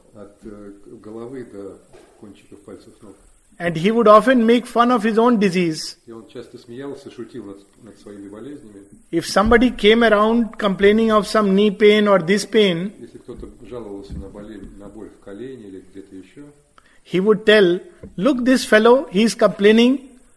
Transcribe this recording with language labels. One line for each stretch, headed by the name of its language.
Russian: От головы до кончиков пальцев ног.
English: And he would often make fun of his own disease.
Russian: И он часто смеялся, шутил над своими болезнями.
English: If somebody came around complaining of some knee pain or this pain,
Russian: если кто-то жаловался на боль в колене или где-то еще,
English: he would tell, "Look, this fellow, he is complaining.